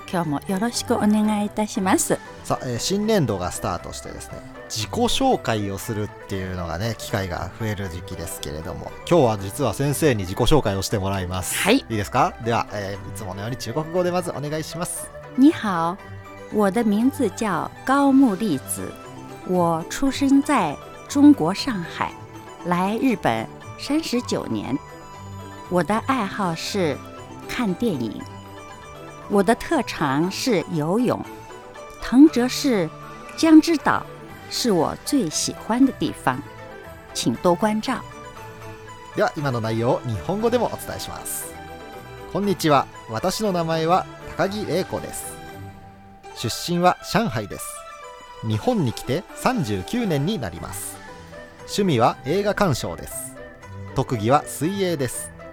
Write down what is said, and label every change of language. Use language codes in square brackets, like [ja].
[ja] 今日もよろしくお願いいたします。さあ、新年度がスタートしてですね、自己紹介をするっていうのがね、機会が増える時期ですけれども、今日は実は先生に自己紹介をしてもらいます。はい、いいですか。では、いつものように中国語でまずお願いします。 [zh] ニハオ、我的名字叫高木丽子，我出生在中国上海，来日本39年。我的爱好是看电影，我的特长是游泳，藤泽市江之岛是我最喜欢的地方，请多关照。 [ja] では今の内容を日本語でもお伝えします。こんにちは、私の名前は高木玲子です。出身は上海です。日本に来て39年になります。趣味は映画鑑賞です。特技は水泳です。